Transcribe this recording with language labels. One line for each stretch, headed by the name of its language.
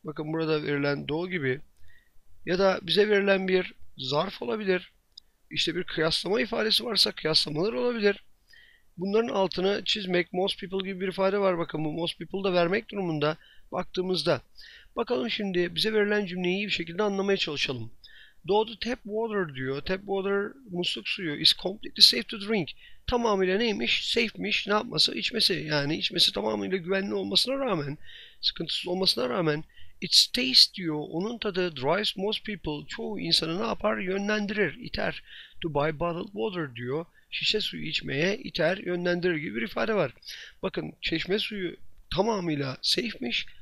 Turkish: Bakın burada verilen do gibi. Ya da bize verilen bir zarf olabilir. İşte bir kıyaslama ifadesi varsa kıyaslamalar olabilir. Bunların altını çizmek, most people gibi bir ifade var. Bakın bu most people da vermek durumunda baktığımızda. Bakalım şimdi bize verilen cümleyi iyi bir şekilde anlamaya çalışalım.
English: Do the tap water diyor. Tap water
Turkish: musluk suyu
English: is completely safe to drink.
Turkish: Tamamıyla neymiş? Safe'miş. Ne yapması? İçmesi. Yani içmesi tamamıyla güvenli olmasına rağmen, sıkıntısız olmasına rağmen
English: its taste
Turkish: diyor. Onun tadı
English: drives most people.
Turkish: Çoğu insanı ne yapar? Yönlendirir, iter.
English: To buy bottled water diyor.
Turkish: Şişe suyu içmeye iter, yönlendirir gibi bir ifade var. Bakın çeşme suyu tamamıyla safe'miş.